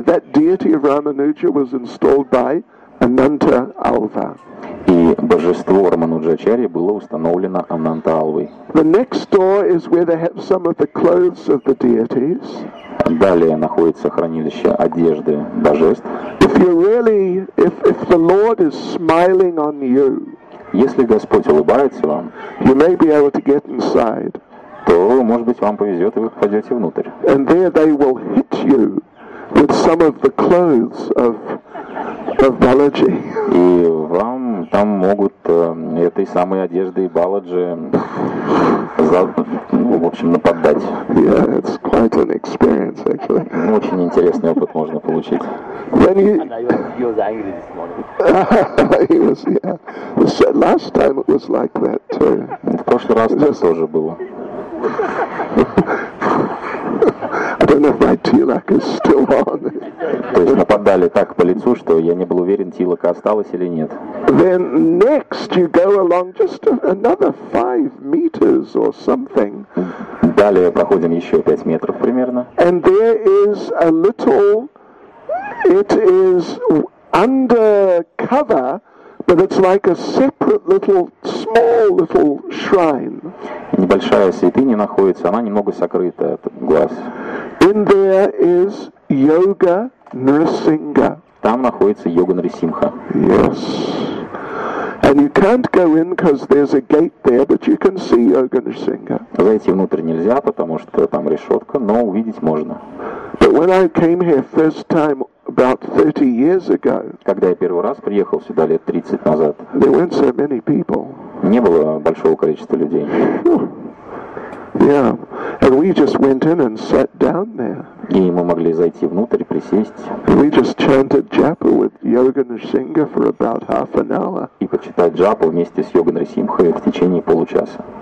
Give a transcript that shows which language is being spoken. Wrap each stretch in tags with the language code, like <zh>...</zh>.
<en>That deity of Ramanuja was installed by Ananta Alva.</en> <ru>И божество Рамануджачарьи было установлено Ананта Алвой.</ru> <en>The next door is where they have some of the clothes of the deities.</en> <ru>Далее находится хранилище одежды божеств.</ru> <en>If you really, if the Lord is smiling on you,</en> <ru>если Господь улыбается вам,</ru> <en>you may be able to get inside.</en> <ru>То, может быть, вам повезет и вы попадете внутрь.</ru> <en>And there they will hit you with some of the clothes of Balaji.</en> <ru>И вам там могут этой самой одеждой Баладжи в общем, нападать.</ru> <en>Yeah, it's quite an experience, actually.</en> <ru>Очень интересный опыт можно получить.</ru> <en>And he was angry this morning. He was, yeah. Last time it was like that, too.</en> <ru>В прошлый раз так тоже было.</ru> <en>I don't know if my tea luck is still on.</en> <ru>То есть нападали так по лицу, что я не был уверен, Тилака осталось или нет.</ru> <en>Then next you go along just another 5 meters or something.</en> <ru>Далее проходим еще 5 метров примерно.</ru> <en>And there is a little, it is under cover, but it's like a separate little, small little shrine.</en> <ru>Небольшая святыня находится, она немного сокрыта от глаз.</ru> <en>In there is Yoga Nrisimha.</en> <ru>Там находится Йога Нрисимха.</ru> <en>Yes. And you can't go in because there's a gate there, but you can see Yoga Nrisimha.</en> <ru>Зайти внутрь нельзя, потому что там решетка, но увидеть можно.</ru> <en>But when I came here first time about 30 years ago,</en> <ru>когда я первый раз приехал сюда лет 30 назад,</ru> <en>there weren't so many people.</en> <ru>Не было большого количества людей.</ru> <en>Yeah. And we just went in and sat down there.</en> <ru>И мы могли зайти внутрь, присесть.</ru> <en>We just chanted japa with Yoga Nrisimha for about half an hour.</en> <ru>И почитать джапу вместе с Йогой Нрисимхой в течение получаса.</ru>